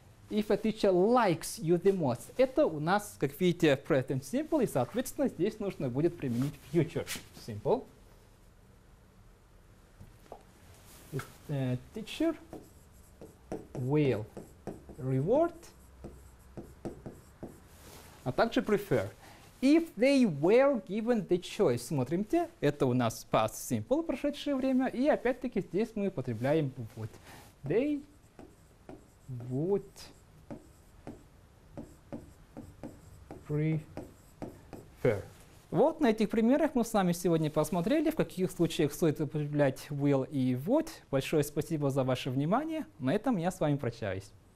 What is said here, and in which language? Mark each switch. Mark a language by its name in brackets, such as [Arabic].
[English] If a teacher likes you the most. [Russian] Это у нас, как видите, present simple, и, соответственно, здесь нужно будет применить future simple. [English] Teacher will reward, [Russian] а также [English] prefer. If they were given the choice. [Russian] Смотрите, это у нас past simple, прошедшее время, и опять-таки здесь мы употребляем would. [English] They would prefer. [Russian] Вот на этих примерах мы с вами сегодня посмотрели, в каких случаях стоит употреблять will и would. Большое спасибо за ваше внимание. На этом я с вами прощаюсь.